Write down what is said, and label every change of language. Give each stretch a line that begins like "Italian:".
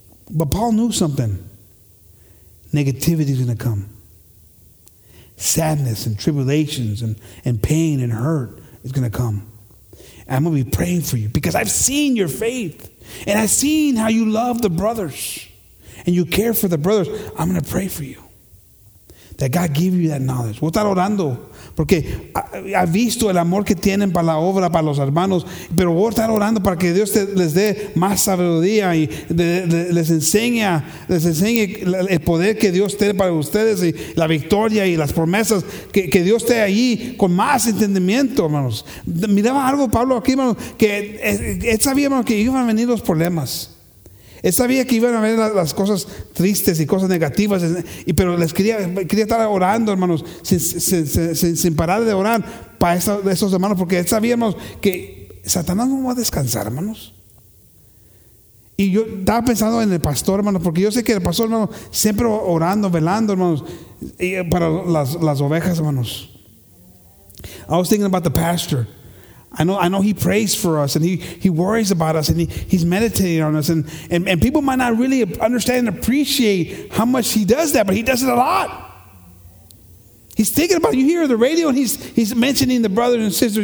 English: But Paul knew something. Negativity is gonna come. Sadness and tribulations and pain and hurt is gonna come. And I'm gonna be praying for you because I've seen your faith and I've seen how you love the brothers and you care for the brothers. I'm gonna pray for you. That God give you that knowledge.
Spanish: Voy a estar orando porque ha visto el amor que tienen para la obra, para los hermanos. Pero voy a estar orando para que Dios les dé más sabiduría y les enseñe el poder que Dios tiene para ustedes y la victoria y las promesas que Dios esté allí con más entendimiento, hermanos. Miraba algo, Pablo, aquí, hermanos, que él sabía, hermanos, que iban a venir los problemas. Él sabía que iban a ver las cosas tristes y cosas negativas, pero les quería estar orando, hermanos, sin parar de orar para esos hermanos, porque él sabía, hermanos, que Satanás no va a descansar, hermanos. Y yo estaba pensando en el pastor, hermanos, porque yo sé que el pastor, hermanos, siempre orando, velando, hermanos, y para las ovejas, hermanos.
English: I was thinking about the pastor. I know he prays for us and he worries about us and he's meditating on us and people might not really understand and appreciate how much he does that, but he does it a lot. He's thinking about you here on the radio and he's mentioning the brothers and sisters.